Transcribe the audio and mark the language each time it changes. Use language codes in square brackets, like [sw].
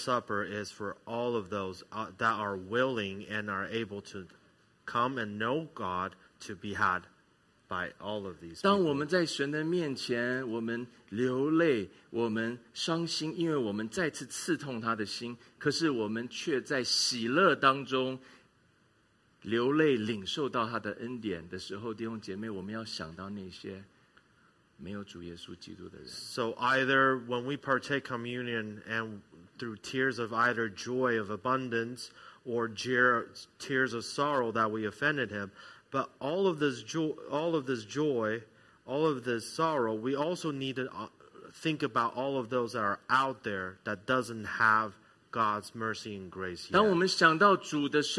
[en] Supper is for all of those that are willing and are able to come and know God to be had by all of these people. [zh] 当我们在神的面前，我们流泪，我们伤心，因为我们再次刺痛他的心。可是我们却在喜乐当中流泪，领受到他的恩典的时候，弟兄姐妹，我们要想到那些没有主耶稣基督的人。 [en] So either when we partake communion and through tears of either joy of abundance or tears of sorrow that we offended Him, but all of this joy, all of this sorrow, we also need to think about all of those that are out there that doesn't have God's mercy and grace yet.